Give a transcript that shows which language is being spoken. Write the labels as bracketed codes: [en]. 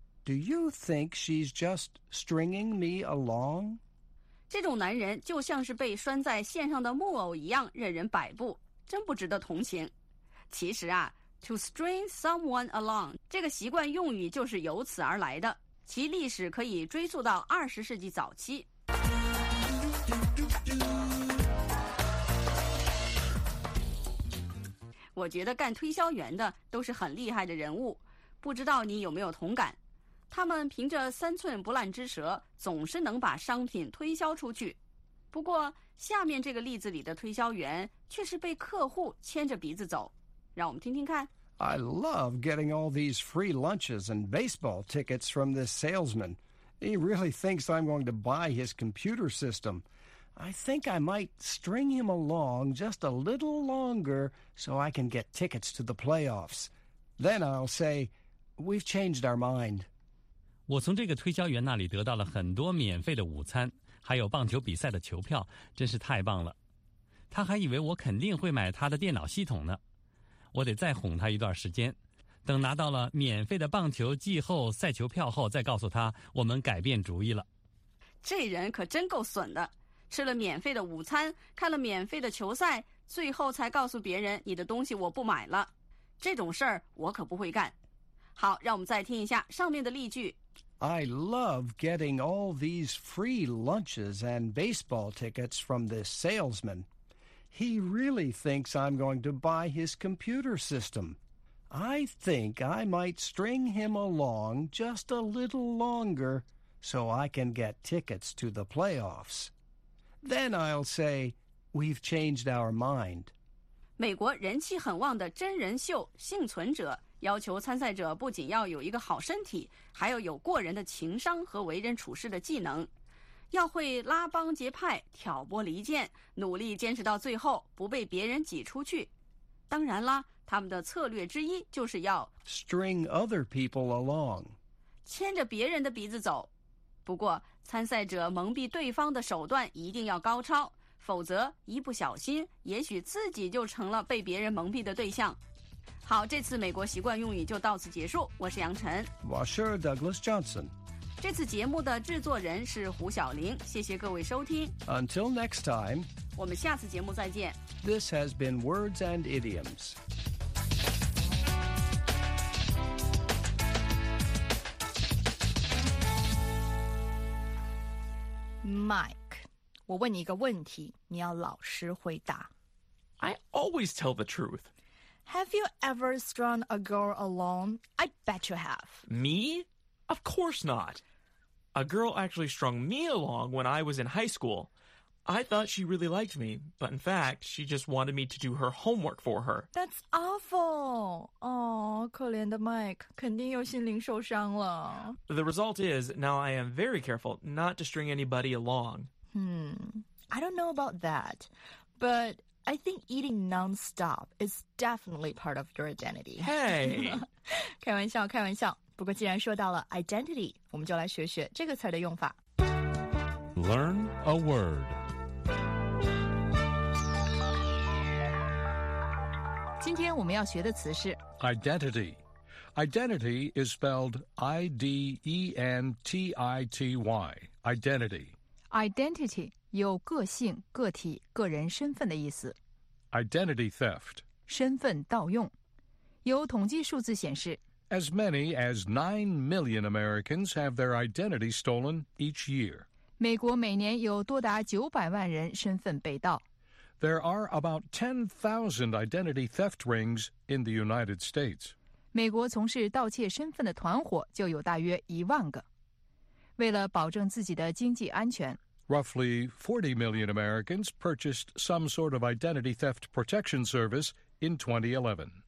[en] Do you think she's just stringing me along? [zh] 这种男人就像是被拴在线上的木偶一样任人摆布，真不值得同情。其实啊 , [en] to string someone along, [zh] 这个习惯用语就是由此而来的，其历史可以追溯到20世纪早期。我觉得干推销员的都是很厉害的人物，不知道你有没有同感。他们凭着三寸不烂之舌，总是能把商品推销出去。不过下面这个例子里的推销员却是被客户牵着鼻子走，让我们听听看。 [en] I love getting all these free lunches and baseball tickets from this salesman. He really thinks I'm going to buy his computer system. I think I might string him along just a little longer so I can get tickets to the playoffs. Then I'll say, we've changed our mind. [zh] 我从这个推销员那里得到了很多免费的午餐，还有棒球比赛的球票，真是太棒了。他还以为我肯定会买他的电脑系统呢。我得再哄他一段时间，等拿到了免费的棒球季后赛球票后，再告诉他我们改变主意了。这人可真够损的，吃了免费的午餐，看了免费的球赛，最后才告诉别人你的东西我不买了。这种事儿我可不会干。好，让我们再听一下上面的例句。 [en] I love getting all these free lunches and baseball tickets from this salesman. He really thinks I'm going to buy his computer system. I think I might string him along just a little longer so I can get tickets to the playoffs. Then I'll say, we've changed our mind. [zh] 美国人气很旺的真人秀《幸存者》要求参赛者不仅要有一个好身体，还要有过人的情商和为人处事的技能，要会拉帮结派、挑拨离间，努力坚持到最后，不被别人挤出去。当然啦，他们的策略之一就是要 [en] string other people along， [zh] 牵着别人的鼻子走。不过参赛者蒙蔽对方的手段一定要高超，否则一不小心也许自己就成了被别人蒙蔽的对象。好，这次美国习惯用语就到此结束。我是杨晨。我是 Douglas Johnson。这次节目的制作人是胡晓玲。谢谢各位收听。 [en] Until next time。 [zh] 我们下次节目再见。 [en] This has been Words and Idioms. [zh] Mike， 我问你一个问题，你要老实回答。 [en] I always tell the truth. Have you ever strung a girl along? I bet you have. Me? Of course not. A girl actually strung me along when I was in high school. I thought she really liked me, but in fact, she just wanted me to do her homework for her. That's awful. [zh] Aw, 可怜的 Mike, 肯定又心灵受伤了。 [en] The result is, now I am very careful not to string anybody along. I don't know about that, but... I think eating non-stop is definitely part of your identity. Hey! [zh] 开玩笑，开玩笑。不过既然说到了 identity, 我们就来学学这个词的用法。 [en] Learn a word. [zh] 今天我们要学的词是 [en] identity. Identity is spelled I-D-E-N-T-I-T-Y. Identity. Identity. [zh] 有个性、个体、个人身份的意思。 [en] Identity theft. [zh] 身份盗用。有统计数字显示 [en] ，As many as 9 million Americans have their identity stolen each year. [zh] 美国每年有多达900万人身份被盗。 [en] There are about 10,000 identity theft rings in the United States. [zh] 美国从事盗窃身份的团伙就有大约10,000个。为了保证自己的经济安全。 [en] Roughly 40 million Americans purchased some sort of identity theft protection service in 2011.